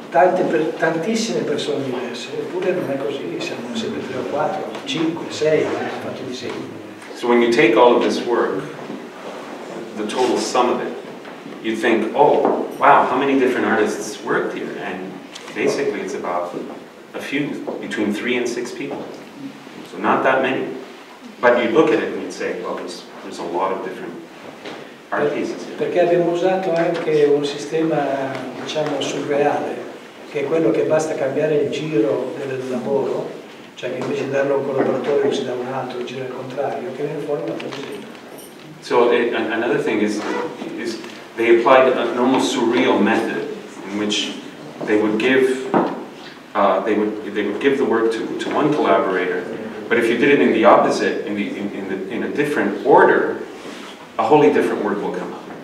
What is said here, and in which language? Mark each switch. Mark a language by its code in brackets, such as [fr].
[it] tantissime persone diverse, eppure non è così, siamo sempre 3 o 4, 5, 6, fatti di segni. [en] So when you take all of this work, the total sum of it, you think, oh, wow, how many different artists worked here? And basically it's about a few, between 3 and 6 people. So not that many. But you look at it and you'd say, well, there's a lot of different art pieces here. [it] Perché abbiamo usato anche un sistema, diciamo, surreale, che è quello che basta cambiare il giro del lavoro, cioè che invece di darlo a un collaboratore si dà un altro, il giro al contrario, che viene fuori da un disegno. [en] So another thing is they applied an almost surreal method in which they would give the work to one collaborator, but if you did it in the opposite, in a different order, a wholly different work will come up.